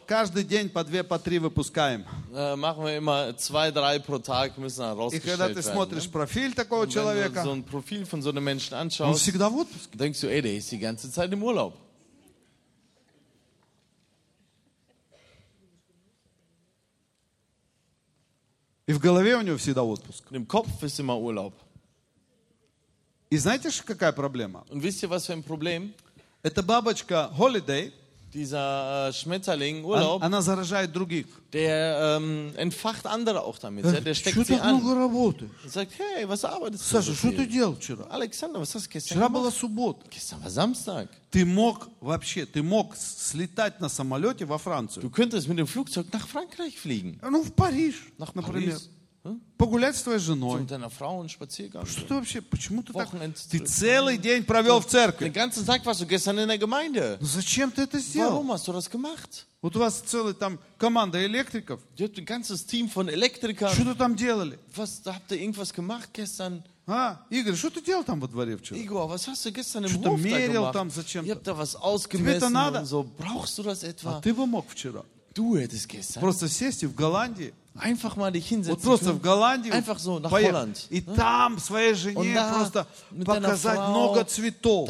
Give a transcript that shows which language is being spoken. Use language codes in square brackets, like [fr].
[ru] Каждый день по две, по три выпускаем. [de] Machen wir immer zwei, drei pro Tag müssen rausgestellt werden. [ru] И когда ты смотришь профиль такого человека. [de] So ein Profil von so einem Menschen anschaust. [ru] Он всегда в отпуске. [de] Denkst du, ey, der ist die ganze Zeit im Urlaub. [ru] И в голове у него всегда отпуск. [de] Im Kopf ist immer Urlaub. [ru] И знаете, какая проблема? [de] Und wisst ihr, was für ein Problem? [ru] Эта бабочка holiday, [de] dieser Schmetterling Urlaub, [ru] она заражает других. [de] Der entfacht andere auch damit. Ja, der steckt sie an. [ru] Много работаешь? [de] Und sagt, hey, was arbeitest du? [ru] Саша, что ты делал вчера? [de] Александр, was hast du gestern? [ru] Вчера была суббота. [de] Gestern war Samstag. [ru] Ты мог вообще, ты мог слетать на самолете во Францию? [de] Du könntest mit dem Flugzeug nach Frankreich fliegen. [ru] Ну, в Париж. [de] Nach Paris. [ru] Погулять с твоей женой. [de] Mit deiner Frau und Spaziergang. [ru] Что ты вообще, почему ты Wochenend так? Ты целый день провел в церкви. [de] Den ganzen Tag warst du gestern in der Gemeinde. [ru] Но зачем ты это сделал? [de] Warum hast du das gemacht? [ru] Вот у вас целая там команда электриков. [de] Du hast ein ganzes Team von Elektrikern. [ru] Что ты там делали? [de] Was, habt ihr irgendwas gemacht gestern? [ru] А, Игорь, что ты делал там во дворе вчера? [de] Igor, was hast du gestern im Hof gemacht? [ru] Что ты мерил там зачем-то? [de] Ich hab da was ausgemessen und so. Brauchst du das etwa? [ru] А ты бы мог вчера. [de] Du hättest gestern. [ru] Просто сесть и в Голландии. [de] Einfach mal dich hinsetzen. [ru] Вот просто в Голландии. [de] Einfach so, nach Holland. [ru] И там своей жене просто показать много цветов.